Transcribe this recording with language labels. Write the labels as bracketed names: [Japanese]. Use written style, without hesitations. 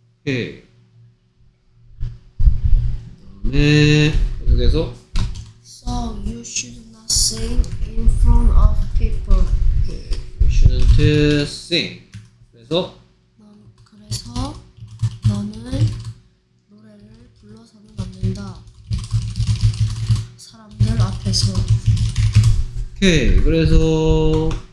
[Korean] 오케이 그다음에 계속해서 [English] So you should not sing in front of people. Okay. You shouldn't sing. [Korean] 그래서 그래서 너는 노래를 불러서는 안 된다. 사람들 앞에서. 오케이 그래서.